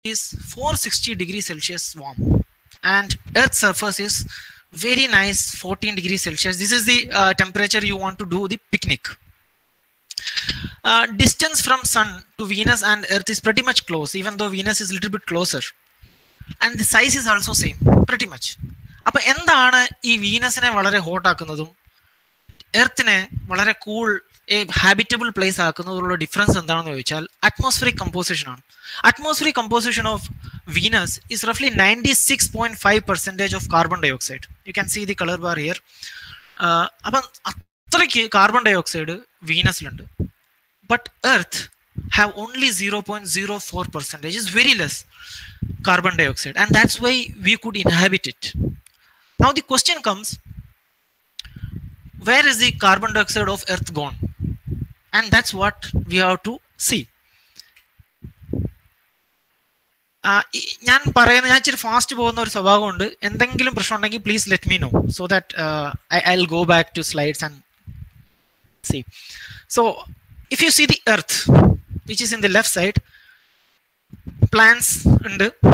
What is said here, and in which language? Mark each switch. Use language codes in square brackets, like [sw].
[en] is 460 degree Celsius warm, and Earth's surface is very nice 14 degree Celsius. This is the temperature you want to do the picnic. Distance from Sun to Venus and Earth is pretty much close, even though Venus is a little bit closer, and the size is also same pretty much. [ml] അപ്പൊ എന്താണ് ഈ വീനസിനെ വളരെ hot ആക്കുന്നതും എർത്തിനെ വളരെ cool habitable place ആക്കുന്നതിലുള്ള difference എന്താണെന്ന് ചോദിച്ചാൽ atmospheric composition ആണ്. [en] Atmospheric composition of Venus is റഫ്ലി 96.5% of carbon dioxide. You can see the colour bar here. [ml] അപ്പം അത്രയ്ക്ക് carbon dioxide വീനസിലുണ്ട്. [en] But Earth have only 0.04%, is very less carbon dioxide, and that's why we could inhabit it. Now the question comes, where is the carbon dioxide of Earth gone? And that's what we have to see. [ml] ഞാൻ പറയുന്ന ഞാൻ ഇച്ചിരി fast പോകുന്ന ഒരു സ്വഭാവമുണ്ട്. എന്തെങ്കിലും പ്രശ്നം ഉണ്ടെങ്കിൽ [en] Please let me know so that I will go back to slides and see. So if you see the Earth which is in the left side, [ml] plants ഉണ്ട്.